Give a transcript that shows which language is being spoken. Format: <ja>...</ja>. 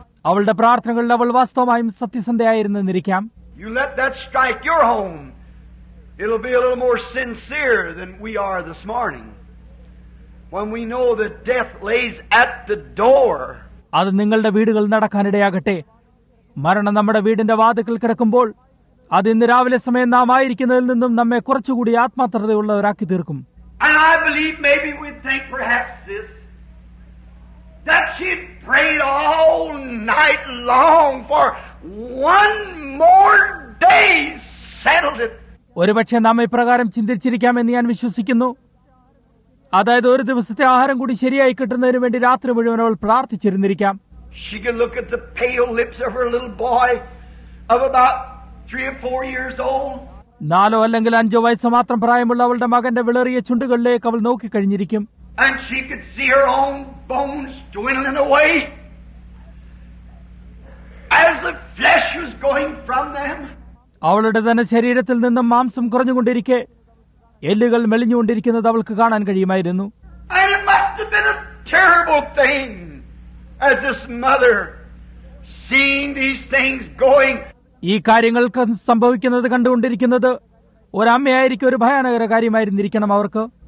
<ml>അവളുടെ പ്രാർത്ഥനകളിൽ അവൾ വാസ്തവമായും സത്യസന്ധയായിരുന്നിരിക്കാം.</ml> <en>You let that strike your home. It'll be a little more sincere than we are this morning. When we know that death lays at the door.</en> <ml>അത് നിങ്ങളുടെ വീടുകളിൽ നടക്കാനിടയാകട്ടെ. മരണം നമ്മുടെ വീടിന്റെ വാതിൽക്കൽ കിടക്കുമ്പോൾ അത് ഇന്ന് രാവിലെ സമയം നാം ആയിരിക്കുന്നതിൽ നിന്നും നമ്മെ കുറച്ചുകൂടി ആത്മാർത്ഥതയുള്ളവരാക്കി തീർക്കും.</ml> <en>And I believe maybe we think perhaps this. That she prayed all night long for one more day settled it.</en> <ml>ഒരുപക്ഷെ നാം ഇപ്രകാരം ചിന്തിച്ചിരിക്കാം എന്ന് ഞാൻ വിശ്വസിക്കുന്നു. അതായത് ഒരു ദിവസത്തെ ആഹാരം കൂടി ശരിയായി കിട്ടുന്നതിന് വേണ്ടി രാത്രി മുഴുവൻ അവൾ പ്രാർത്ഥിച്ചിരുന്നിരിക്കാം.</ml> <en>She can look at the pale lips of her little boy of about 3 or 4 years old.</en> <ml>നാലോ അല്ലെങ്കിൽ അഞ്ചോ വയസ്സ് മാത്രം പ്രായമുള്ള അവളുടെ മകന്റെ വിളറിയ ചുണ്ടുകളിലേക്ക് അവൾ നോക്കിക്കഴിഞ്ഞിരിക്കും.</ml> <en>And she could see her own bones dwindling away as the flesh was going from them.</en> <ml>അവളുടെ തന്നെ ശരീരത്തിൽ നിന്നും മാംസം കുറഞ്ഞുകൊണ്ടിരിക്കെ എല്ലുകൾ മെലിഞ്ഞുകൊണ്ടിരിക്കുന്നത് അവൾക്ക് കാണാൻ കഴിയുമായിരുന്നു.</ml> <en>And it must have been a terrible thing as this mother seeing these things going.</en> <ml>ഈ കാര്യങ്ങൾ സംഭവിക്കുന്നത് കണ്ടുകൊണ്ടിരിക്കുന്നത് ഒരമ്മയായിരിക്കും ഒരു ഭയാനകര കാര്യമായിരുന്നിരിക്കണം അവർക്ക്.</ml>